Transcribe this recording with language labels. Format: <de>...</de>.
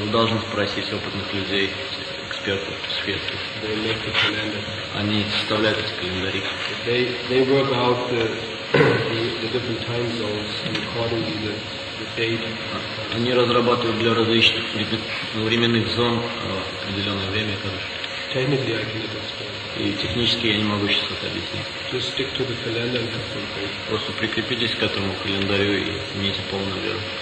<ru>Вы должны спросить опытных людей, экспертов, светских.</ru> <en>They make the calendar.</en> <ru>Они составляют эти календари.</ru> <en>They work out the different time zones and accordingly the date.</en> <ru>Они разрабатывают для различных временных зон определенное время, короче.</ru> <en>Technically, I can't explain.</en> <ru>И технически я не могу сейчас это объяснить.</ru> <en>Just stick to the calendar and have some faith.</en> <ru>Просто прикрепитесь к этому календарю и имейте полную веру.</ru>